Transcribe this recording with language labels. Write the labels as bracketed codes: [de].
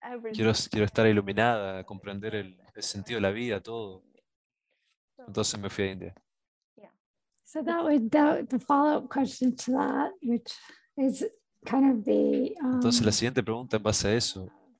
[es] Quiero estar iluminada, comprender el sentido de la vida, todo. Entonces me fui a India. [en] So that was the follow-up question to that, which is kind of the. [es] Entonces la siguiente pregunta en base a eso.